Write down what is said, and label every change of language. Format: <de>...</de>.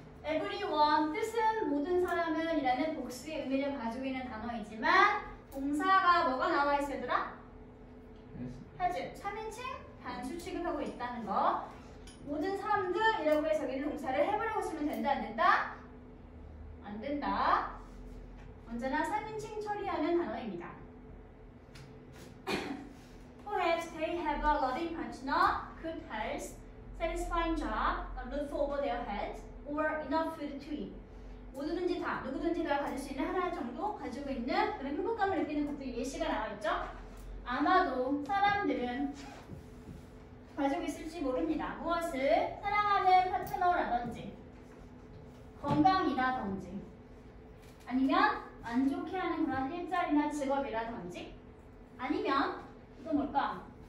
<ko>Everyone, 뜻은 모든 사람은 이라는 복수의 의미를 가지고 있는 단어이지만 동사가 뭐가 나와 있으더라? 해즈, 3인칭 단수 취급하고 있다는 거. 모든 사람들이라고 해서 여기는 동사를 해보라고 쓰면 된다, 안 된다? 안 된다. 언제나 3인칭 처리하는 단어입니다.</ko> <en>Perhaps they have a loving partner, good health, satisfying job, a roof over their head, or enough food to eat.</en> <ko>모두든지 다, 누구든지 다 가질 수 있는 하나 정도 가지고 있는 그런 행복감을 느끼는 것들 예시가 나와 있죠? 아마도 사람들은 가지고 있을지 모릅니다. 무엇을 사랑하는 파트너라든지 건강이라든지 아니면 만족해하는 그런 일자리나 직업이라든지 아니면 또 뭘까?</ko>